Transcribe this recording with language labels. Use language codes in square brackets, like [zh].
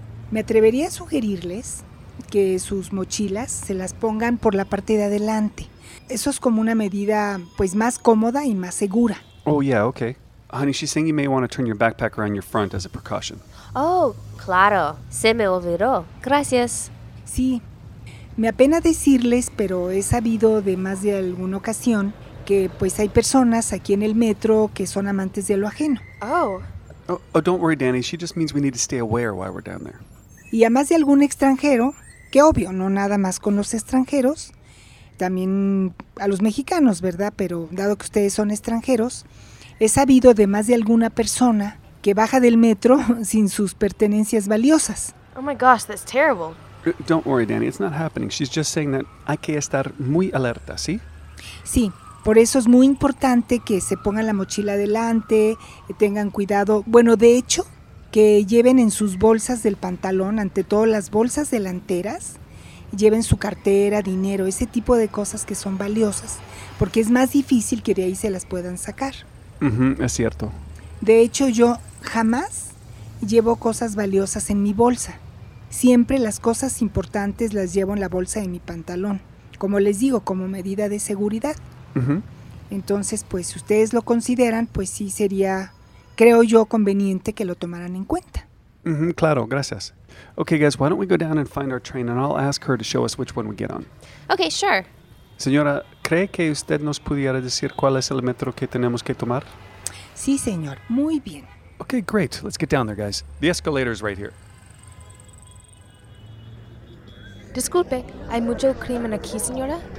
[es] Me atrevería a sugerirles que sus mochilas se las pongan por la parte de adelante. Eso es como una medida, pues, más cómoda y más segura. [en] Oh, yeah, okay. Honey, she's saying you may want to turn your backpack around your front as a precaution. [es] Oh, claro. Se me olvidó. Gracias. Sí. Me apena decirles, pero he sabido de más de alguna ocasión que, pues, hay personas aquí en el metro que son amantes de lo ajeno. Oh, [en] don't worry, Danny. She just means we need to stay aware while we're down there. [es] Y a más de algún extranjero, que obvio, no nada más con los extranjeros, también a los mexicanos, ¿verdad? Pero dado que ustedes son extranjeros, he sabido de más de alguna persona que baja del metro sin sus pertenencias valiosas. [en] Oh my gosh, that's terrible. Don't worry, Danny. It's not happening. She's just saying that [es] hay que estar muy alerta, ¿sí? Sí. Por eso es muy importante que se pongan la mochila adelante, tengan cuidado. Bueno, de hecho, que lleven en sus bolsas del pantalón, ante todo las bolsas delanteras, lleven su cartera, dinero, ese tipo de cosas que son valiosas, porque es más difícil que de ahí se las puedan sacar. Uh-huh, es cierto. De hecho, yo jamás llevo cosas valiosas en mi bolsa. Siempre las cosas importantes las llevo en la bolsa de mi pantalón, como les digo, como medida de seguridad. Entonces, pues, si ustedes lo consideran, pues sí sería, creo yo, conveniente que lo tomaran en cuenta. Mm-hmm, claro, gracias. [en] Okay, guys, why don't we go down and find our train, and I'll ask her to show us which one we get on. Okay, sure. [es] Señora, ¿cree que usted nos pudiera decir cuál es el metro que tenemos que tomar? Sí, señor, muy bien. [en] Okay, great. Let's get down there, guys. The escalator is right here. [es] Disculpe, ¿hay mucho crimen aquí, señora?